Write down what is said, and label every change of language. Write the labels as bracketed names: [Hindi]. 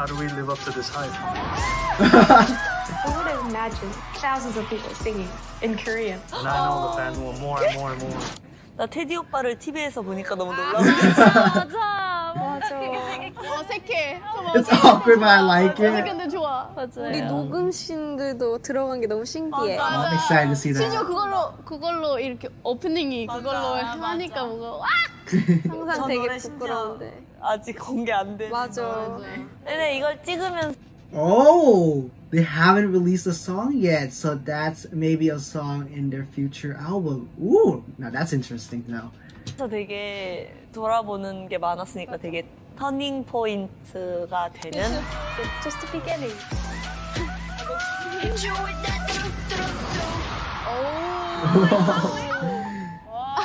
[English] How do we live up to this hype? Who would have imagined thousands of people singing in Korean? And I know the fans want more and more and more. [Korean] 나 테디 오빠를 TV에서 보니까 너무 놀라워. 맞아. 어색해. [English] It's awkward, but I like it. [Korean] 근데 좋아. 맞아. 우리 녹음 씬들도 들어간 게 너무 신기해. [English] I'm excited to see that. [Korean] 심지어 그걸로 이렇게 오프닝이 그걸로 하니까 뭔가 와! 항상 되게 부끄러운데. 아직 공개 안 돼. 맞아. 근데 이걸 찍으면서 [English] Oh, they haven't released a song yet, so that's maybe a song in their future album. Ooh, now that's interesting now. [Korean] 되게 돌아보는 게 많았으니까 되게 터닝 포인트가 되는 [English] just the beginning. Oh.